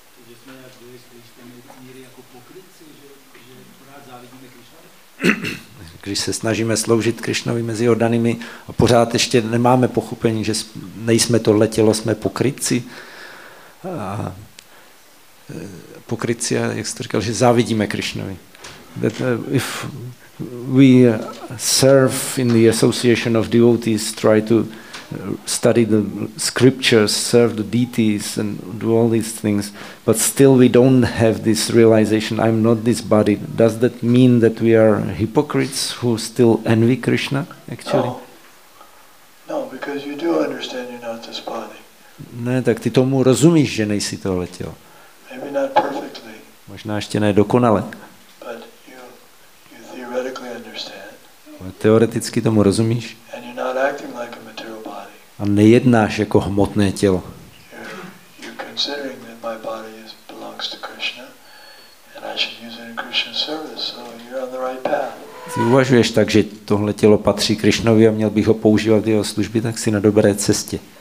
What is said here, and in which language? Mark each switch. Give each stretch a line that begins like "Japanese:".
Czech: že jsme jak byli z Krišna míry jako pokrytci, že pořád závidíme Krišnovi? Když se snažíme sloužit Krišnovi mezi oddanými a pořád ještě nemáme pochopení, že nejsme tohle tělo, jsme pokrytci. A pokrytci, jak jste říkal, že závidíme Krišnovi.
English: That if we serve in the association of devotees, try to study the scriptures, serve the deities and do all these things, but still we don't have this realization, I'm not this body. Does that mean that we are hypocrites who still envy Krishna, actually? No, because you do understand you're not this body.
Czech: Ne, tak ty tomu rozumíš, že nejsi tohle tělo.
English: Maybe not perfectly.
Czech: Možná ještě ne dokonale.
English: But you theoretically understand.
Czech: Ale teoreticky tomu rozumíš.
English: And you're not acting like a material body.
Czech: A nejednáš jako hmotné tělo.
English: You're considering that my body belongs to Krishna and I should use it in Krishna's service, so you're on the right path.
Czech: Ty uvažuješ tak, že tohle tělo patří Krišnovi a měl bych ho používat v jeho službě, tak jsi na dobré cestě.